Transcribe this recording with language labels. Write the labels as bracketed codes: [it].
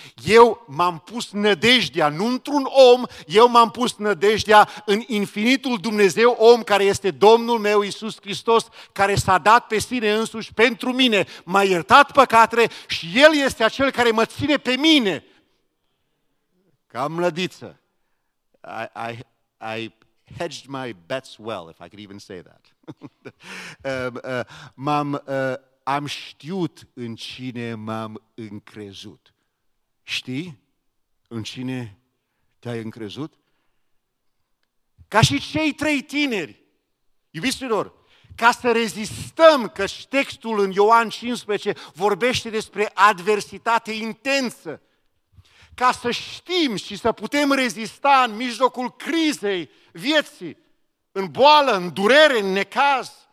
[ro] Eu m-am pus nădejdea, nu într-un om, eu m-am pus nădejdea în infinitul Dumnezeu om, care este Domnul meu Iisus Hristos, care s-a dat pe sine însuși pentru mine, m-a iertat păcatele și El este acel care mă ține pe mine. Ca mlădiță. [en] I hedged my bets well, if I could even say that. [ro] am știut în cine m-am încrezut. Știi în cine te-ai încrezut? Ca și cei trei tineri, iubiților, ca să rezistăm, că textul în Ioan 15 vorbește despre adversitate intensă, ca să știm și să putem rezista în mijlocul crizei vieții, în boală, în durere, în necaz,